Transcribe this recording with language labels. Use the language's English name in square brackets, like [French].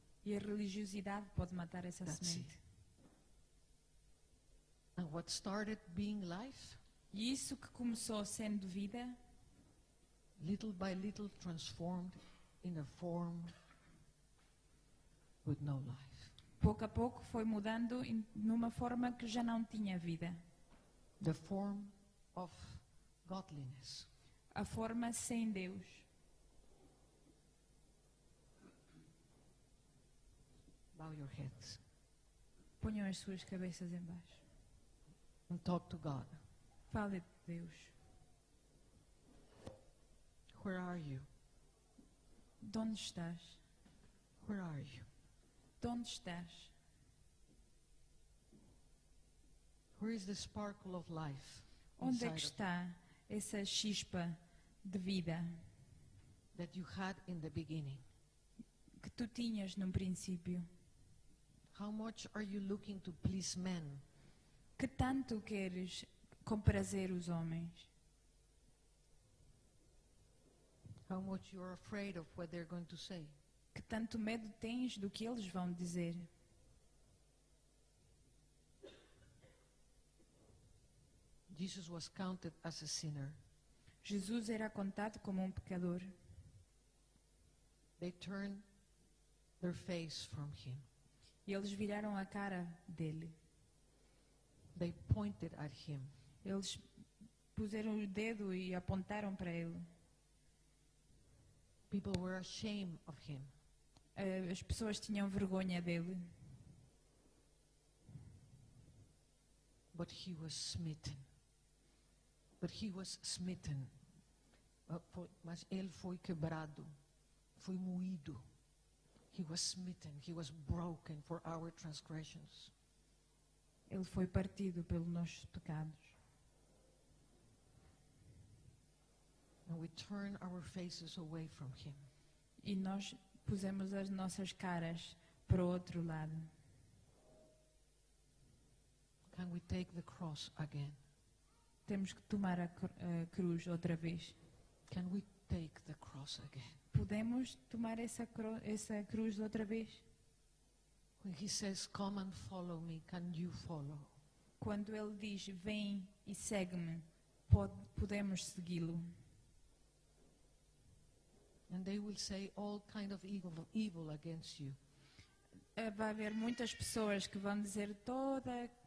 [Portuguese] E a religiosidade pode matar essa [English] That's [Portuguese] semente. [English] It. And what started being life? [Portuguese] Isso que começou sendo vida. [English] Little by little transformed in a form with no life. [Portuguese] Pouco a pouco foi mudando numa forma que já não tinha vida. [English] The form of godliness. [Portuguese] A forma sem Deus. [English] Bow your heads. [Portuguese] Ponham as suas cabeças em baixo. [English] And talk to God. [Portuguese] Fale de Deus. [English] Where are you? [Portuguese] De onde estás? [English] Where are you? [Portuguese] De onde estás? [English] Where is the sparkle of life? [Portuguese] Onde é que está essa chispa de vida [English] that you had in the beginning? [Portuguese] Que tu tinhas no princípio? [English] How much are you looking to please men? [Portuguese] Que tanto queres complacer os homens? [English] How much you are afraid of what they're going to say? [Portuguese] Que tanto medo tens do que eles vão dizer? [English] Jesus was counted as a sinner. [Portuguese] Jesus era contado como pecador. [English] They turned their face from him. [Portuguese] E eles viraram a cara dele. [English] They pointed at him. [Portuguese] Eles puseram o dedo e apontaram para ele. [English] People were ashamed of him. [Portuguese] As pessoas tinham vergonha dele. [English] But he was smitten. But he was smitten. [Portuguese] Mas ele foi quebrado. Foi moído. [English] He was smitten. He was broken for our transgressions. [Portuguese] Ele foi partido pelos nossos pecados. [English] And we turn our faces away from him. [Portuguese] E nós pusemos as nossas caras para o outro lado. [English] Can we take the cross again? [Portuguese] Temos que tomar a cruz outra vez. [English] Can we take the cross again? [Portuguese] Podemos tomar essa cruz outra vez? [English] When he says, "Come and follow me," can you follow? [Portuguese] Quando ele diz, "Vem e segue-me," podemos segui-lo? [English] And they will say all kind of evil against you. [Portuguese] Vai haver muitas pessoas que vão dizer toda